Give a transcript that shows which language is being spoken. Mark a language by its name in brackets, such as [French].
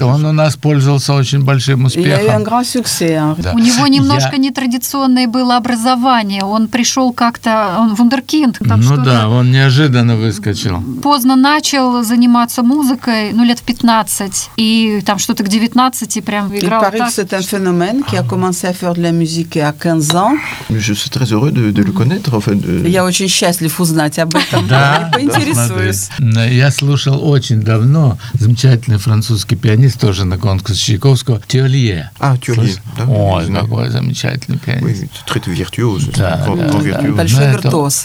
[Russian] Он у нас пользовался очень большим успехом. Да. У него немножко нетрадиционное было образование. Он пришел как-то, он вундеркинд. Ну да, он неожиданно выскочил. Поздно начал заниматься музыкой, ну лет в 15. И там что-то к 19 прям играл. [French] Il paraît que c'est un phénomène qui a commencé à faire de la musique à 15 ans. Je suis très heureux de le connaître. En fait, de... [Russian] Я очень счастлив узнать об этом. Да, поинтересуюсь. Я слушал очень давно замечательный французский пианист, тоже на конкурсе Чайковского, Тюрлье. А, Тюрлье, да. Ой, какой замечательный пианист. [French] Oui, très virtuose. [Russian] Да, большой виртуоз.